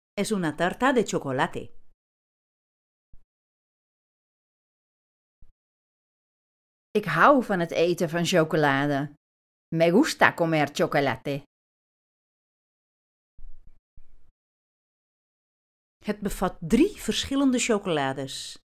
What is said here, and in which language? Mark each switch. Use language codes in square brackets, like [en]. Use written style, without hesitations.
[es] Es una tarta de chocolate. [nl] Ik hou van het eten van chocolade. [es] Me gusta comer chocolate. [nl] Het bevat 3 verschillende chocolades.